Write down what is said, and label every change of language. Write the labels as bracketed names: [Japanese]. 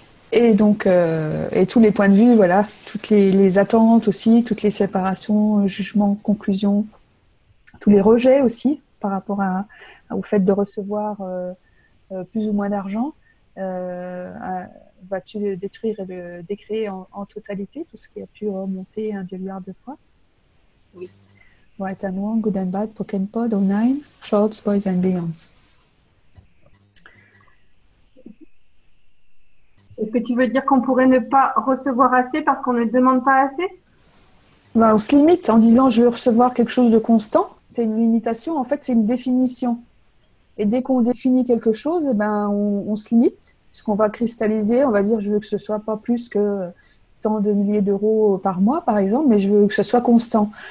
[French] Et donc, et tous les points de vue, voilà, toutes les attentes aussi, toutes les séparations, jugements, conclusions, tous les rejets aussi par rapport à, au fait de recevoir plus ou moins d'argent, vas-tu le détruire et le décréer en totalité, tout ce qui a pu remonter un milliard de fois? Oui. [English] Right and wrong, good and bad, broken pod, all nine, shorts, boys and beyonds. [French] Est-ce que tu veux dire qu'on pourrait ne pas recevoir assez parce qu'on ne demande pas assez? Ben, on se limite en disant je veux recevoir quelque chose de constant. C'est une limitation, en fait c'est une définition. Et dès qu'on définit quelque chose, eh ben, on se limite puisqu'on va cristalliser, on va dire je veux que ce soit pas plus que tant de milliers d'euros par mois par exemple, mais je veux que ce soit constant.